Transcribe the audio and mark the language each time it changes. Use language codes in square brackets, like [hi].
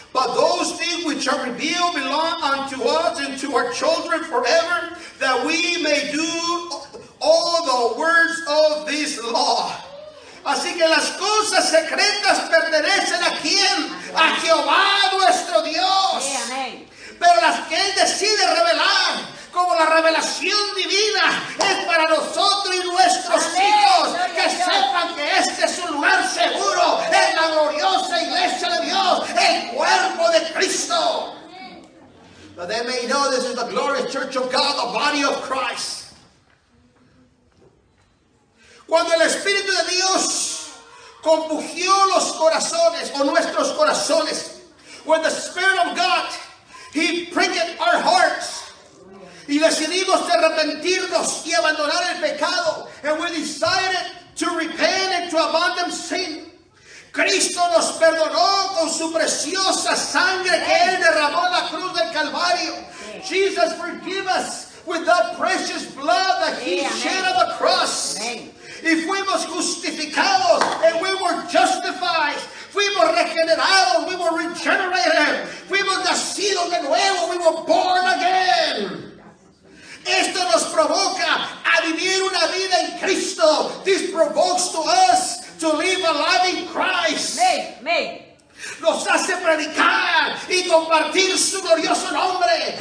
[en] But those things which are revealed belong unto us and to our children forever, that we may do all the words of this law. [es] Así que las cosas secretas pertenecen a quién? A Jehová nuestro Dios. Sí, amén. Pero las que Él decide revelar, como la revelación divina, es para nosotros y nuestros amén. Hijos, que sepan que este es un lugar seguro en la gloriosa iglesia de Dios, el cuerpo de Cristo. [en] That they may know this is the glorious church of God, the body of Christ. [es] Cuando el Espíritu de Dios compugió los corazones o nuestros corazones, [en] when the Spirit of God, He pricked our hearts, [es] y decidimos arrepentirnos y abandonar el pecado, [en] and we decided to repent and to abandon sin. [es] Cristo nos perdonó con su preciosa sangre que Él derramó en la cruz del Calvario. [en] Jesus forgive us with that precious blood that He shed on the cross. [es] Y fuimos justificados, [en] and we were justified. [es] Fuimos regenerados, [en] we were regenerated. [es] Fuimos nacidos de nuevo, [en] we were born again. [es] Esto nos provoca a vivir una vida en Cristo. [en] This provokes to us to live a life in Christ. Me. [es] Nos hace predicar y compartir su glorioso nombre.